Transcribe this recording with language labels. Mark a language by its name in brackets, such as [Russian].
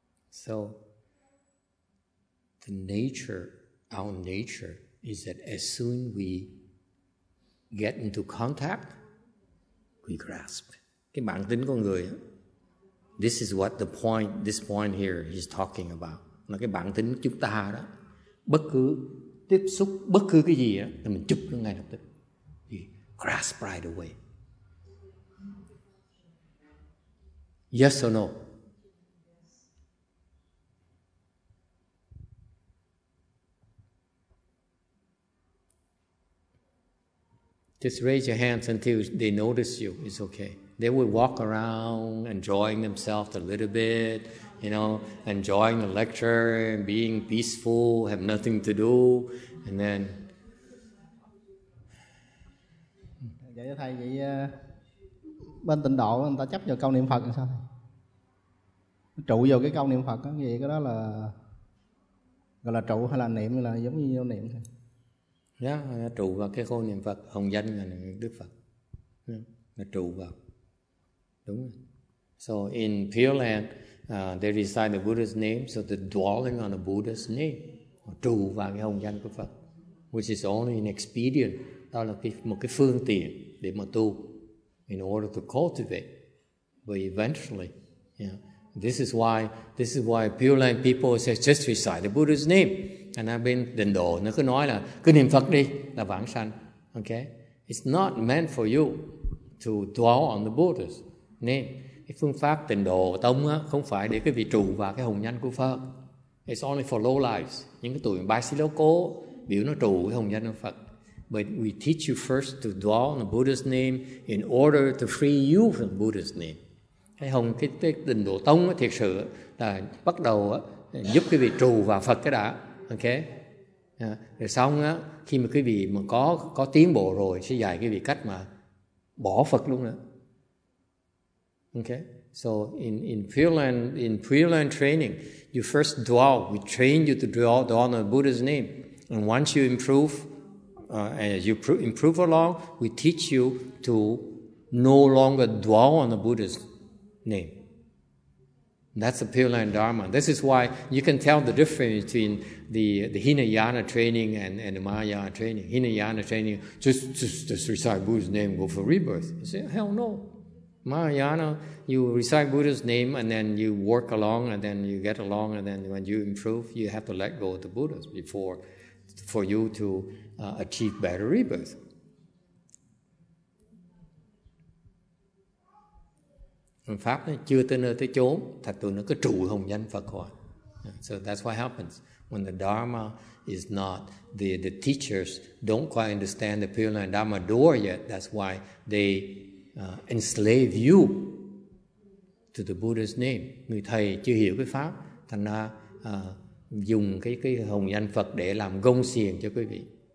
[English] So the nature, our nature is that as soon we get into contact, we grasp. [Vietnamese] Cái bản tính con người. [English] This is what this point here he's talking about. [Vietnamese] Là cái bản tính chúng ta đó. Bất cứ tiếp xúc bất cứ cái gì á thì mình chụp nó ngay lập tức. [English] You grasp right away. Yes or no? Just raise your hands until they notice you. It's okay. They will walk around enjoying themselves a little bit, you know, enjoying the lecture and being peaceful, have nothing to do, and then. [Vietnamese] Dạ thưa thầy, vậy bên tịnh độ người ta chấp vào câu niệm Phật làm sao thầy? Trụ vào cái câu niệm Phật á, vậy cái đó là gọi là trụ hay là niệm, là giống như vô niệm thôi. Dạ, yeah, trụ vào cái câu niệm Phật, hồng danh là Đức Phật, là trụ vào. Đúng rồi. [English] So in Pure Land, they recite the Buddha's name, so they're dwelling on the Buddha's name. [Vietnamese] Trụ vào cái hồng danh của Phật. [English] Which is only an expedient. [Vietnamese] Đó là một cái phương tiện để mà tu. [English] In order to cultivate. But eventually, yeah, this is why Pure Land people say, just recite the Buddha's name. And I've been [Vietnamese] đền độ, nó cứ nói là, cứ niệm Phật đi, là vãng sanh. [English] Okay? It's not meant for you to dwell on the Buddha's name. [Vietnamese] Cái phương pháp tịnh độ tông á không phải để cái vị trụ vào cái hồng danh của Phật. [English] It's only for low lives, [Vietnamese] những cái tụi ba xí lô cố biểu nó trụ cái hồng danh của Phật. [English] But we teach you first to dwell on the Buddha's name in order to free you from Buddha's name. [Vietnamese] Cái tịnh độ tông á thiệt sự là bắt đầu á giúp cái vị trụ vào Phật cái đã. Okay. Rồi xong á, khi mà quý vị mà có tiến bộ rồi sẽ dạy cái vị cách mà bỏ Phật luôn đó. [English] Okay, so in Pure Land training, you first dwell. We train you to dwell on the Buddha's name, and once you improve, as you improve along, we teach you to no longer dwell on the Buddha's name. That's the Pure Land Dharma. This is why you can tell the difference between the Hinayana training and the Mahayana training. Hinayana training, just recite Buddha's name, go for rebirth. You say, hell no. Mahayana, you recite Buddha's name and then you work along and then you get along and then when you improve, you have to let go of the Buddha before for you to achieve better rebirth. [Vietnamese] Phật pháp nó chưa tới nơi tới chốn, thật tụi nó cứ trụ hồng danh Phật hoài. [English] So that's what happens when the Dharma is not the teachers don't quite understand the Pure Land Dharma door yet. That's why they enslave you to the Buddha's name. [Vietnamese] Người thầy chưa hiểu cái pháp, thành ra dùng cái hồng danh Phật để làm gông xiềng cho quý vị.